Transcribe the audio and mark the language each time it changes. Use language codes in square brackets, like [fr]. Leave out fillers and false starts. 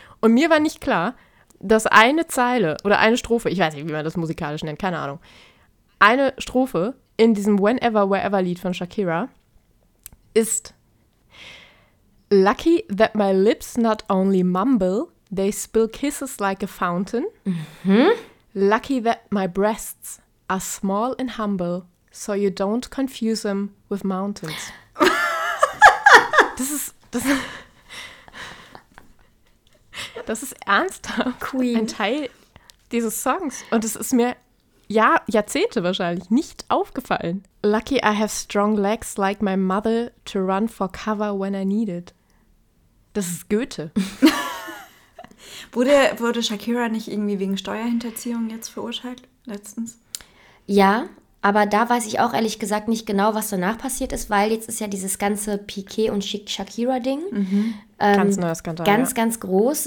[de] Und mir war nicht klar, dass eine Zeile oder eine Strophe, ich weiß nicht, wie man das musikalisch nennt, keine Ahnung, eine Strophe in diesem Whenever, Wherever Lied von Shakira ist [en] Lucky that my lips not only mumble, they spill kisses like a fountain. Mhm. Lucky that my breasts are small and humble, so you don't confuse them with mountains. [de] Das ist ernsthaft [en] Queen. [de] Ein Teil dieses Songs. Und es ist mir Jahrzehnte wahrscheinlich nicht aufgefallen. [en] Lucky I have strong legs like my mother to run for cover when I need it. [de] Das ist Goethe. Wurde Shakira nicht irgendwie wegen Steuerhinterziehung jetzt verurteilt, letztens? Ja, aber da weiß ich auch ehrlich gesagt nicht genau, was danach passiert ist, weil jetzt ist ja dieses ganze Piqué und Shakira-Ding. Mhm. Ganz neuer Skandal. Ganz, ganz groß.